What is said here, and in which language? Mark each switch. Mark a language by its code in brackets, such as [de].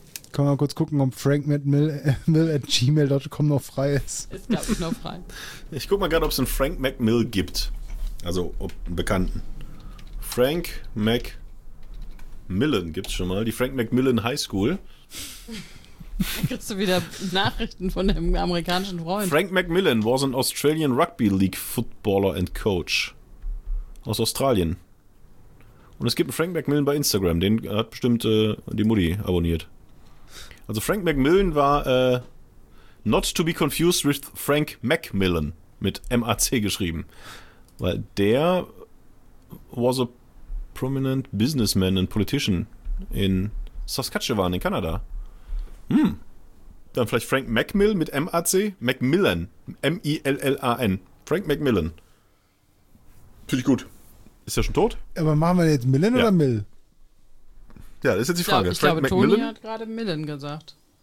[de] Können wir mal kurz gucken, ob frankmcmill@gmail.com noch frei ist. Ist glaube ich noch frei. Ich guck mal gerade, ob es einen Frank McMill gibt. Also ob einen Bekannten. Frank McMillan gibt es schon mal. Die Frank McMillan High School. Da kriegst du wieder Nachrichten von dem amerikanischen Freund. [en] Frank McMillan was an Australian Rugby League Footballer and Coach. [de] Aus Australien. Und es gibt einen Frank McMillan bei Instagram. Den hat bestimmt die Mutti abonniert. [en] Also Frank McMillan war not to be confused with Frank McMillan. [de] Mit M-A-C geschrieben. Weil der [en] was a prominent businessman and politician in Saskatchewan in Kanada. Hm. [de] Dann vielleicht Frank McMill mit M-A-C? McMillan. M-I-L-L-A-N. Frank McMillan. Finde ich gut. Ist er schon tot? Aber machen wir jetzt Millen oder Mill? Ja, das ist jetzt die Frage. Ich glaube, McMillan? Toni hat gerade Millen gesagt.